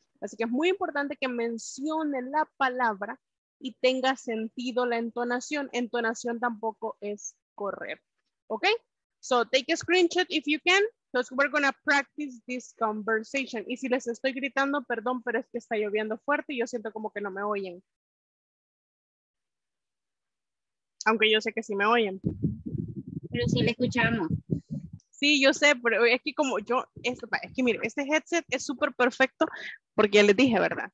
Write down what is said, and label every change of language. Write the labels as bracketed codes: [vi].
[es] Así que es muy importante que mencione la palabra y tenga sentido la entonación. Entonación tampoco es correr, okay? [en] So take a screenshot if you can, because we're gonna practice this conversation. [es] Y si les estoy gritando, perdón, pero es que está lloviendo fuerte y yo siento como que no me oyen. Aunque yo sé que sí me oyen. Pero sí le escuchamos. Sí, yo sé, pero es que como yo, es que mire, este headset es súper perfecto porque ya les dije, ¿verdad?